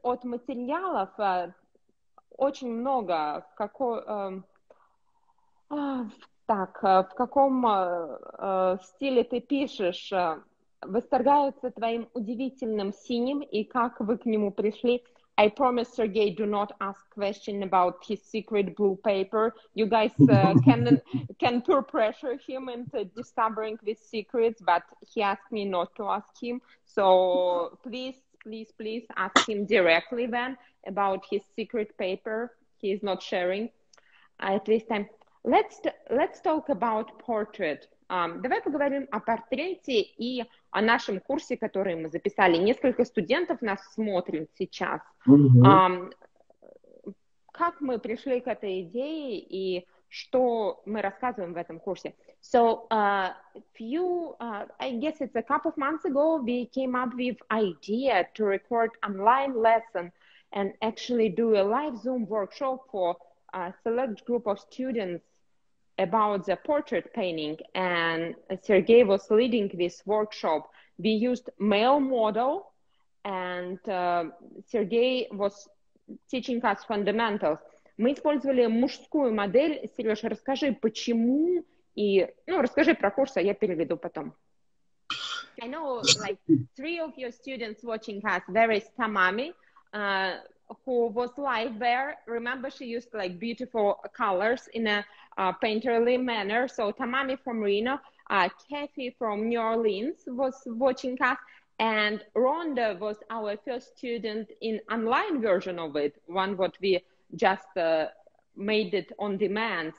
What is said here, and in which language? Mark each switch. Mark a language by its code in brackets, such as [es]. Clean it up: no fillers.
[ru] от материалов очень много, в каком стиле ты пишешь, восторгаются твоим удивительным синим и как вы к нему пришли. [en] I promise Sergei, do not ask question about his secret blue paper. You guys can peer pressure him into discovering these secrets, but he asked me not to ask him. So please, please, please ask him directly then about his secret paper. He is not sharing at this time. Let's talk about portrait. [ru] Давай поговорим о портрете и о нашем курсе, который мы записали. Несколько студентов нас смотрят сейчас. Как мы пришли к этой идее и что мы рассказываем в этом курсе? [en] So, I guess it's a couple of months ago, we came up with idea to record online lesson and actually do a live Zoom workshop for a select group of students about the portrait painting, and Sergei was leading this workshop. We used male model, and Sergei was teaching us fundamentals. [ru] Мы использовали мужскую модель. Сережа, расскажи, почему, и, ну, расскажи про курс, а я переведу потом. [en] I know, like, three of your students watching us, there is Tamami, who was live there. Remember, she used, like, beautiful colors in a painterly manner. So Tamami from Reno, Kathy from New Orleans was watching us, and Rhonda was our first student in online version of it, one what we just made it on demand.